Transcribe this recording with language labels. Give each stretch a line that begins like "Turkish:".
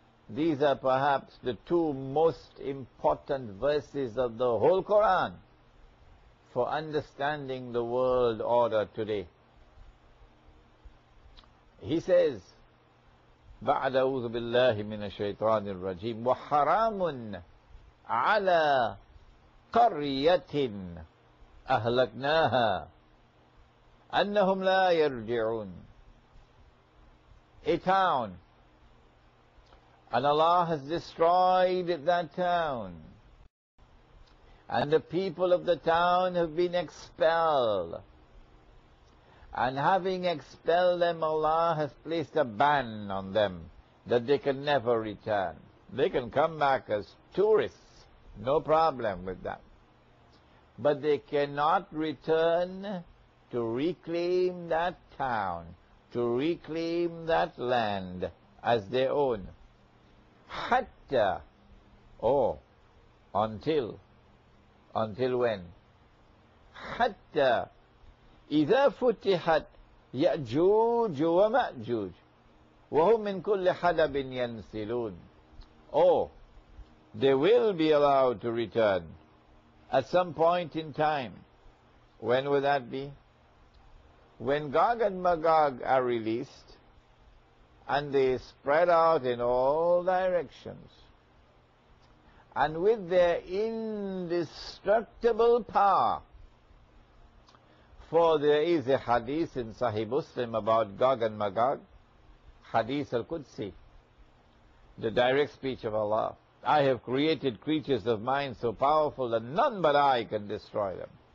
English: These are perhaps the two most important verses of the whole Quran for understanding the world order today. He says,
Arabic: بعد أعوذ بالله من الشيطان الرجيم وحرام على قرية أهلكناها أنهم لا يرجعون.
English: A town. And Allah has destroyed that town. And the people of the town have been expelled. And having expelled them, Allah has placed a ban on them that they can never return. They can come back as tourists, no problem with that. But they cannot return to reclaim that town, to reclaim that land as their own. Hatta, oh, until when?
Arabic: Hatta إِذَا فُتِحَتْ يَأْجُوجُ وَمَأْجُوجُ وَهُمْ مِنْ كُلِّ حَدَبٍ يَنْسِلُونَ.
English: Oh, they will be allowed to return at some point in time. When will that be? when Gog and Magog are released, and they spread out in all directions, and with their indestructible power, for there is a hadith in Sahih Muslim about Gog and Magog, Hadith al-Qudsi, the direct speech of Allah, I have created creatures of mine so powerful that none but I can destroy them.